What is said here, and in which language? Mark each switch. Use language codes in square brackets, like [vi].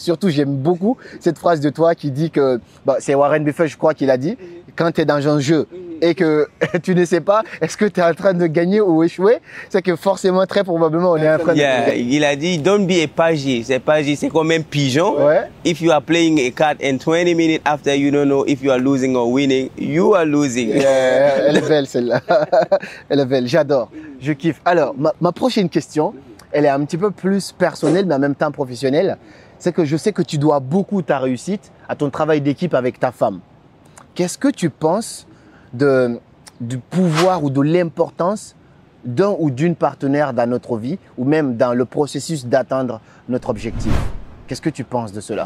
[fr] Surtout, j'aime beaucoup cette phrase de toi qui dit que, bon, c'est Warren Buffett, je crois, qui l'a dit, quand tu es dans un jeu, et que tu ne sais pas est-ce que tu es en train de gagner ou échouer, c'est que forcément, très probablement, on est en train de gagner. Il a dit, [en] don't be a [fr] pagé. C'est pagé, c'est comme un pigeon. Ouais. [en] If you are playing a card and 20 minutes after you don't know if you are losing or winning, you are losing. [fr] Yeah, elle est belle celle-là. Elle est belle, j'adore. Je kiffe. Alors, ma prochaine question, elle est un petit peu plus personnelle, mais en même temps professionnelle. C'est que je sais que tu dois beaucoup ta réussite à ton travail d'équipe avec ta femme. Qu'est-ce que tu penses du pouvoir ou de l'importance d'un ou d'une partenaire dans notre vie ou même dans le processus d'atteindre notre objectif? Qu'est-ce que tu penses de cela?